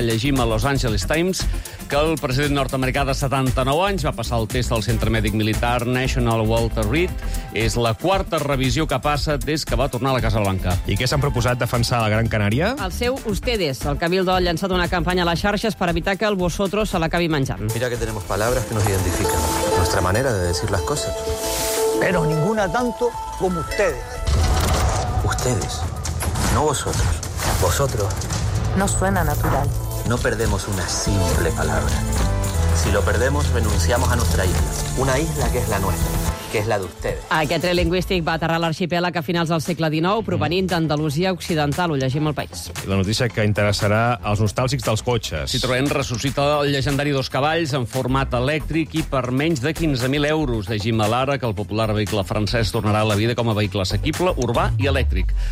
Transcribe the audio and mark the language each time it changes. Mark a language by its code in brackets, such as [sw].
[ca] Llegim a Los Angeles Times que el president nord-americà de 79 anys va passar el test al centre mèdic militar National Walter Reed. És la quarta revisió que passa des que va tornar a la Casa Blanca. I què s'han proposat defensar a la Gran Canària? El seu Ustedes. El Cabildo ha llançat una campanya a les xarxes per evitar que el Vosotros se l'acabi menjant. [es] Mira que tenemos palabras que nos identifican. Nuestra manera de decir las cosas. pero ninguna tanto como ustedes. Ustedes, no vosotros. Vosotros. No suena natural. No perdemos una simple palabra. Si lo perdemos, renunciamos a nuestra isla. Una isla que es la nuestra. [ca] Que és la d'ustedes. Aquest tret lingüístic va aterrar l'arxipèlag a finals del segle XIX, provenint d'Andalusia Occidental. Ho llegim al País. La notícia que interessarà als nostàlgics dels cotxes. Citroën ressuscita el legendari Dos Cavalls en format elèctric i per menys de 15.000 euros. Llegim a l'Ara que el popular vehicle francès tornarà a la vida com a vehicle assequible, urbà i elèctric.